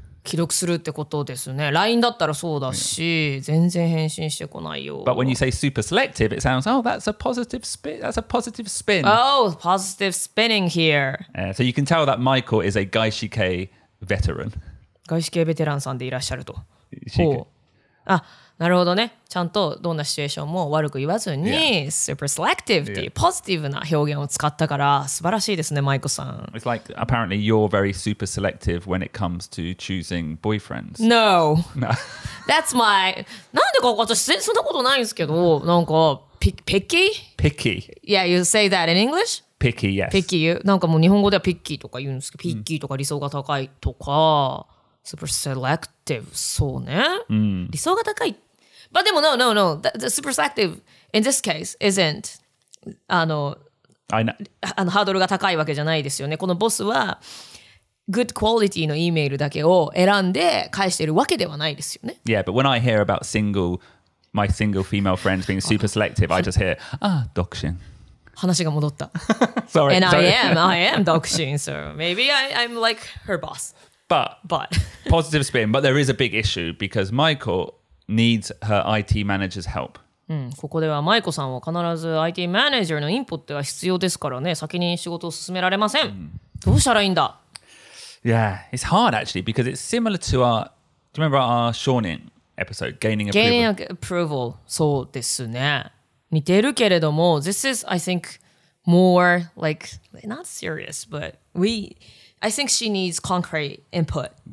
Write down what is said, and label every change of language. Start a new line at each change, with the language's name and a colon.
Japanese: 既読するってことですね。LINE だったらそうだし、全然返信してこないよ。
English: But when you say super selective, it sounds, oh, that's a positive spin. That's a positive spin. Oh, positive spinning here. So you can tell that Michael is a 外資系 veteran.
Japanese: 外資系ベテランさんでいらっしゃると。ほう。あ、なるほどね。ちゃんとどんなシチュエーションも悪く言わずに、yeah. super selective っていうポジティブな表現を使ったから素晴らしいですね、マイコさん。
English: It's like apparently you're very super selective when it comes to choosing boyfriends. No. No. That's my...
Japanese: なんでか私そんなことないんですけど、なんか picky?
English: Picky. Yeah, you say that in English? Picky, yes.
Japanese: Picky. なんかもう日本語では picky とか言うんですけど、picky とか理想が高いとか。 Super selective, そうね。理想が高い。But でも
English: no, no, no. The super selective in this case isn't, I know.
Japanese: ハードルが高いわけじゃないですよね。このボスは、
English: good quality
Japanese: のイメールだけを選んで返してるわけではないですよね。
English: Yeah, but when I hear about single, my single female friends being super selective, I just hear, ah, 独身。
Japanese: 話が戻った。
English: Sorry. And I am 独身, so maybe I'm like her boss. But positive spin, but there is a big issue because Michael needs her IT manager's help.
Japanese: うん、ここではマイコさんは必ず IT マネージャーのインプットが必要ですからね、先に仕事を進められません。どうしたらいいんだ
English: ？Yeah, it's hard actually because it's similar to our, do you remember our 少年 episode gaining approval? Gaining approval,
Japanese: そうですね。似てるけれども、
English: this is I think more like not serious, but we, I think she needs concrete input.